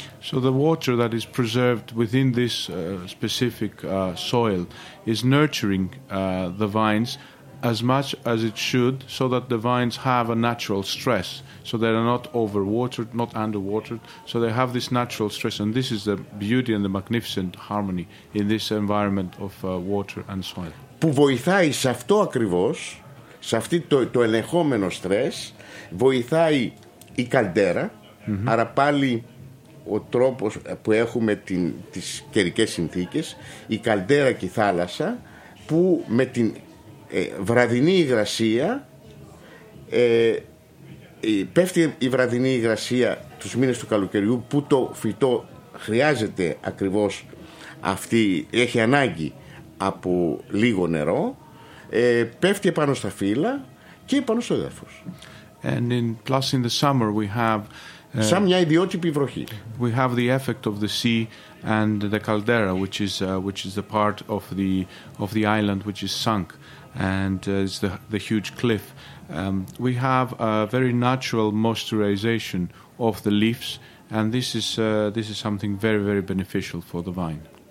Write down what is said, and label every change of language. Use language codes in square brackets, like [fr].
[en] So the water that is preserved within this specific soil is nurturing the vines as much as it should, so that the vines have a natural stress, so they are not overwatered, not underwatered, so they have this natural stress, and this is the beauty and the magnificent harmony in this environment of water and soil. [el] Που βοηθάει σε αυτό ακριβώς, σε αυτή το ελεγχόμενο στρες, βοηθάει η καλδέρα. Mm-hmm. Άρα πάλι ο τρόπος που έχουμε τις καιρικές συνθήκες, η καλδέρα και η θάλασσα, που με την βραδινή υγρασία, πέφτει η βραδινή υγρασία τους μήνες του καλοκαιριού, που το φυτό χρειάζεται ακριβώς αυτή, έχει ανάγκη από λίγο νερό, πέφτει επάνω στα φύλλα και επάνω στο έδαφος. [en] And in, plus in the summer we have [el] σαν μια ιδιότυπη βροχή. [en] We have the effect of the sea and the caldera, which is the part of the island which is sunk, and is the huge cliff. We have a very natural moisturization of the leaves, and this is something very, very beneficial for the vine.